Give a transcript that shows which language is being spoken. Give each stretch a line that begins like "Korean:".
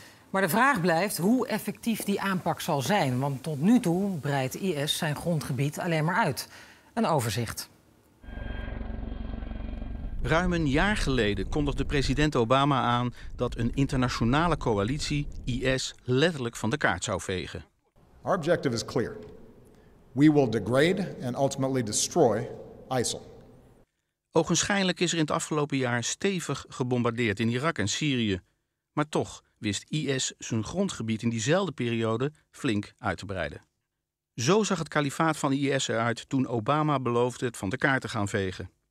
Dutch: Maar de vraag blijft hoe effectief die aanpak zal zijn. Want tot nu toe breidt IS zijn grondgebied alleen maar uit. Een overzicht. Ruim een jaar geleden kondigde president Obama aan dat een internationale coalitie IS letterlijk van de kaart zou vegen.
English: Our objective is clear. We will degrade and ultimately destroy ISIL.
Dutch: Ogenschijnlijk is er in het afgelopen jaar stevig gebombardeerd in Irak en Syrië. Maar toch wist IS zijn grondgebied in diezelfde periode flink uit te breiden. Zo zag het kalifaat van IS eruit toen Obama beloofde het van de kaart te gaan vegen.